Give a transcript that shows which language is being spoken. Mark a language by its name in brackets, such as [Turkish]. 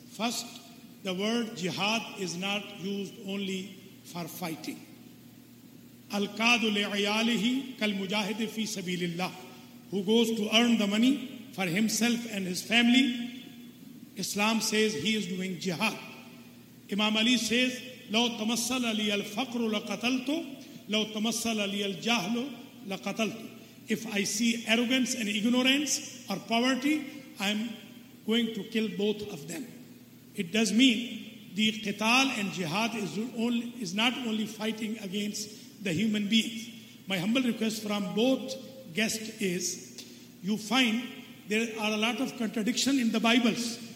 [English] First, the word jihad is not used only for fighting. [Arabic] Al-Qadu li'ayalihi kal-mujahidi fi sabilillah, [English] who goes to earn the money for himself and his family. Islam says he is doing jihad. [Arabic] Imam Ali says, لو تمثل لي الفقر لقتلت لو تمثل لي الجهل لقتلت. [English] If I see arrogance and ignorance or poverty, I'm going to kill both of them. It does mean the qital and jihad is not only fighting against the human beings. My humble request from both guests is, you find there are a lot of contradiction in the Bibles.